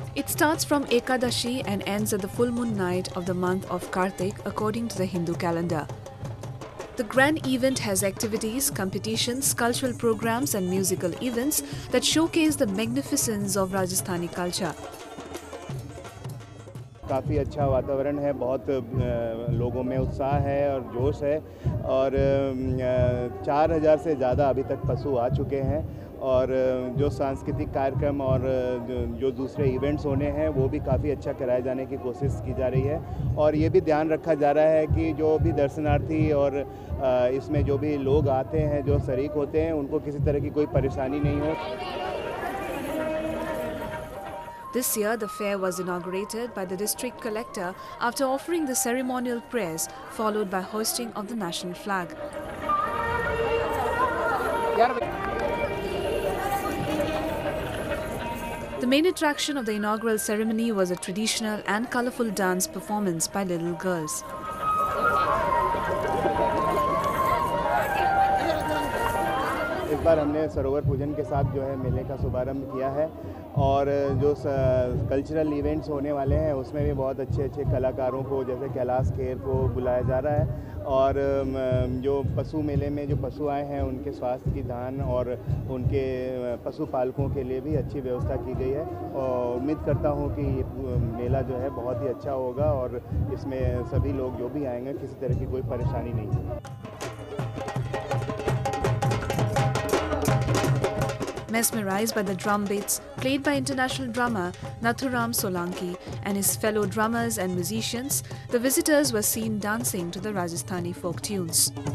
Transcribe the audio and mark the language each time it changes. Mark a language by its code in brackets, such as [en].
[en] It starts from Ekadashi and ends at the full moon night of the month of Kartik according to the Hindu calendar. The grand event has activities, competitions, cultural programs and musical events that showcase the magnificence of Rajasthani culture. [hi] काफी अच्छा वातावरण है बहुत लोगों में उत्साह है और जोश है और 4000 से ज्यादा अभी तक पशु आ चुके हैं और जो सांस्कृतिक कार्यक्रम और जो दूसरे इवेंट्स होने हैं वो भी काफी अच्छा कराए जाने की कोशिश की जा रही है और ये भी ध्यान रखा जा रहा है कि जो भी दर्शनार्थी और इसमें जो भी लोग आते हैं जो शरीक होते हैं उनको किसी तरह की कोई परेशानी नहीं हो. [en] This year, the fair was inaugurated by the district collector after offering the ceremonial prayers, followed by hoisting of the national flag. The main attraction of the inaugural ceremony was a traditional and colorful dance performance by little girls. [hi] इस बार हमने सरोवर पूजन के साथ जो है मेले का शुभारंभ किया है और जो कल्चरल इवेंट्स होने वाले हैं उसमें भी बहुत अच्छे अच्छे कलाकारों को जैसे कैलाश खेर को बुलाया जा रहा है और जो पशु मेले में जो पशु आए हैं उनके स्वास्थ्य की ध्यान और उनके पशु पालकों के लिए भी अच्छी व्यवस्था की गई है और उम्मीद करता हूँ कि मेला जो है बहुत ही अच्छा होगा और इसमें सभी लोग जो भी आएंगे किसी तरह की कोई परेशानी नहीं होगी. [en] Mesmerized by the drum beats played by international drummer Nathuram Solanki and his fellow drummers and musicians, the visitors were seen dancing to the Rajasthani folk tunes.